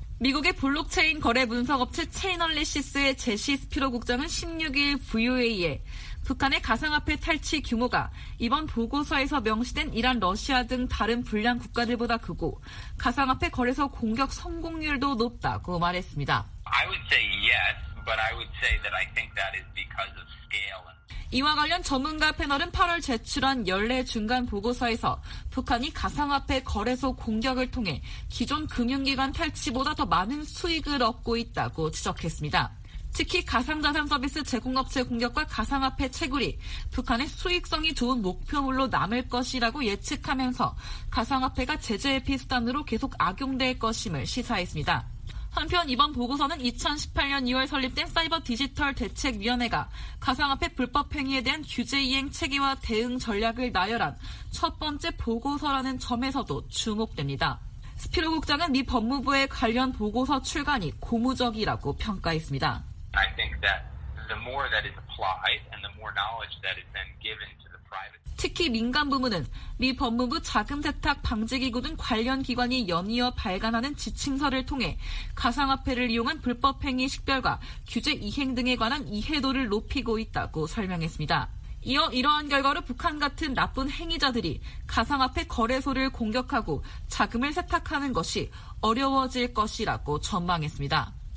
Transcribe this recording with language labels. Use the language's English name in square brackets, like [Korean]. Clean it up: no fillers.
[Korean] 미국의 블록체인 거래 분석업체 체인얼리시스의 제시 스피로 국장은 16일 VOA에 북한의 가상화폐 탈취 규모가 이번 보고서에서 명시된 이란, 러시아 등 다른 불량 국가들보다 크고 가상화폐 거래소 공격 성공률도 높다고 말했습니다. [English] I would say yes, but I would say that I think that is because of scale. [Korean] 이와 관련 전문가 패널은 8월 제출한 연례 중간 보고서에서 북한이 가상화폐 거래소 공격을 통해 기존 금융기관 탈취보다 더 많은 수익을 얻고 있다고 지적했습니다. 특히 가상자산 서비스 제공업체 공격과 가상화폐 채굴이 북한의 수익성이 좋은 목표물로 남을 것이라고 예측하면서 가상화폐가 제재 회피 수단으로 계속 악용될 것임을 시사했습니다. 한편 이번 보고서는 2018년 2월 설립된 사이버 디지털 대책위원회가 가상화폐 불법 행위에 대한 규제 이행 체계와 대응 전략을 나열한 첫 번째 보고서라는 점에서도 주목됩니다. 스피로 국장은 미 법무부의 관련 보고서 출간이 고무적이라고 평가했습니다. [English] I think that the more that is applied and the more knowledge that is then given to the private [Korean] 특히 민간 부문은 미 법무부 자금 세탁 방지 기구 등 관련 기관이 연이어 발간하는 지침서를 통해 가상화폐를 이용한 불법 행위 식별과 규제 이행 등에 관한 이해도를 높이고 있다고 설명했습니다. 이어 이러한 결과로 북한 같은 나쁜 행위자들이 가상화폐 거래소를 공격하고 자금을 세탁하는 것이 어려워질 것이라고 전망했습니다.